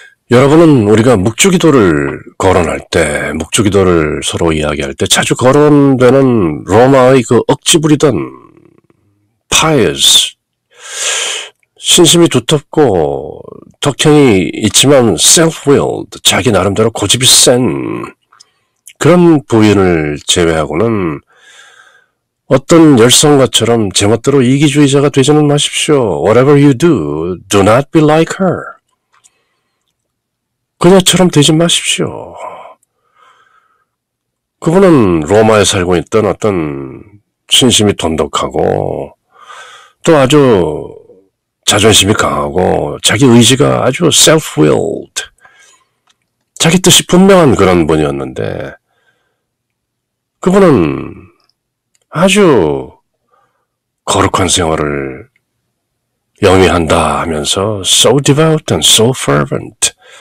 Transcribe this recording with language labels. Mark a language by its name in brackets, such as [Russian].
[Korean] 여러분은 우리가 묵주기도를 거론할 때, 묵주기도를 서로 이야기할 때 자주 거론되는 로마의 그 억지부리던 pious, 신심이 두텁고 덕행이 있지만 self-willed, 자기 나름대로 고집이 센 그런 부인을 제외하고는 어떤 열성가처럼 제멋대로 이기주의자가 되지는 마십시오. [English] Whatever you do, do not be like her. [Korean] 그녀처럼 되지 마십시오. 그분은 로마에 살고 있던 어떤 신심이 돈독하고 또 아주 자존심이 강하고 자기 의지가 아주 self-willed, 자기 뜻이 분명한 그런 분이었는데 그분은 아주 거룩한 생활을 영위한다 하면서 [English] so devout and so fervent.